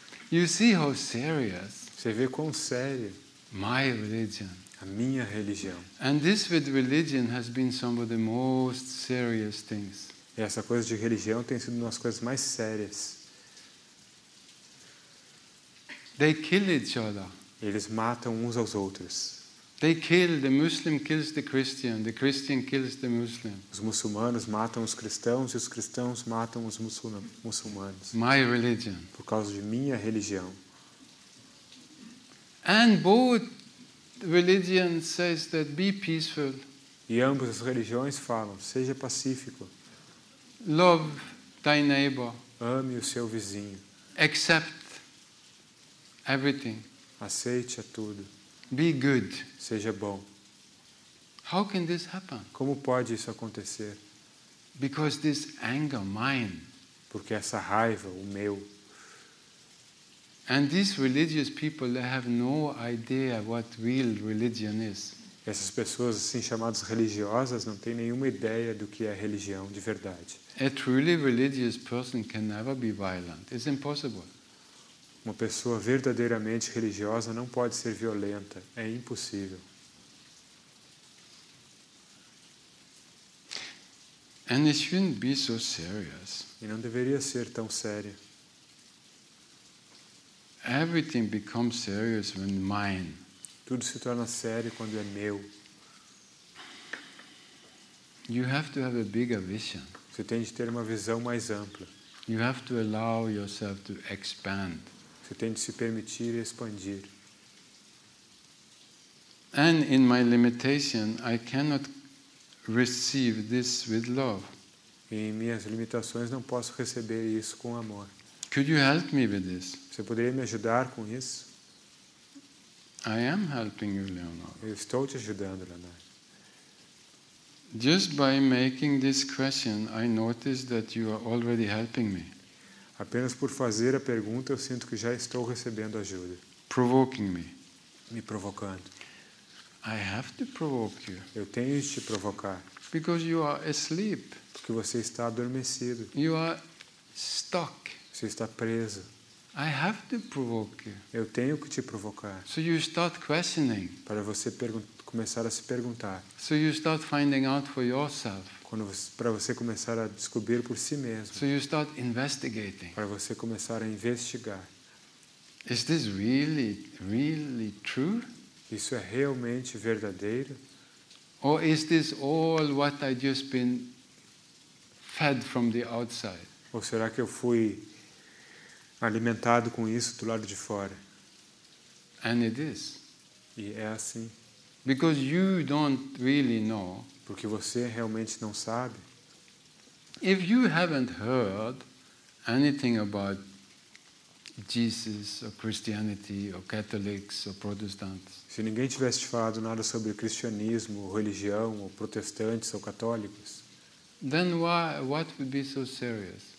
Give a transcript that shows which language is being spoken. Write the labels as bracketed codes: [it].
[en] You see how serious. [pt] Você vê quão sério. [en] My religion. [pt] A minha religião. [en] And this with religion has been some of the most serious things. [pt] E essa coisa de religião tem sido uma das coisas mais sérias. [en] They kill each other. [pt] Eles matam uns aos outros. [en] They kill, the Muslim kills the Christian kills the Muslim. [pt] Os muçulmanos matam os cristãos e os cristãos matam os muçulmanos. [en] My religion. [pt] Por causa de minha religião. [en] And both religions says that be peaceful. [pt] E ambas as religiões falam, seja pacífico. [en] Love thy neighbor. [pt] Ame o seu vizinho. [en] Accept everything. [pt] Aceite a tudo. [en] Be good. [pt] Seja bom. [en] How can this happen? [pt] Como pode isso acontecer? [en] Because this anger, mine. [pt] Porque essa raiva, o meu. [en] And these religious people, they have no idea what real religion is. [pt] Essas pessoas assim chamadas religiosas não têm nenhuma ideia do que é religião de verdade. [en] A truly religious person can never be violent. It's impossible. [pt] Uma pessoa verdadeiramente religiosa não pode ser violenta. É impossível. [en] And it shouldn't be so serious. [pt] E não deveria ser tão séria. [en] Everything becomes serious when mine. [pt] Tudo se torna sério quando é meu. [en] You have to have a bigger vision. [pt] Você tem de ter uma visão mais ampla. [en] You have to allow yourself to expand. [pt] Você tem de se permitir expandir. [en] And in my limitation, I cannot receive this with love. [pt] Em minhas limitações, não posso receber isso com amor. [en] Could you help me with this? [pt] Você poderia me ajudar com isso? [en] I am helping you, Leonardo. [pt] Eu estou te ajudando, Leonardo. [en] Just by making this question, I notice that you are already helping me. [pt] Apenas por fazer a pergunta, eu sinto que já estou recebendo ajuda. [en] Provoking me. [pt] Me provocando. [en] I have to provoke you. [pt] Eu tenho de te provocar. [en] Because you are asleep. [pt] Porque você está adormecido. [en] You are stuck. [pt] Você está preso. [en] I have to provoke you. [pt] Eu tenho que te provocar. [en] So you start questioning. [pt] Para você começar a se perguntar. [en] So you start finding out for yourself. [pt] Para você começar a descobrir por si mesmo. [en] So you start investigating. [pt] Para você começar a investigar. [en] Is this really, really true? [pt] Isso é realmente verdadeiro? [en] Or is this all what I just been fed from the outside? [pt] Ou será que eu fui alimentado com isso do lado de fora? [en] And it is. [pt] E é assim. [en] Because you don't really know. [pt] Porque você realmente não sabe. [en] If you haven't heard anything about Jesus or Christianity or Catholics or Protestants. [pt] Se ninguém tivesse falado nada sobre cristianismo, ou religião, ou protestantes ou católicos. [en] Then why, what would be so serious?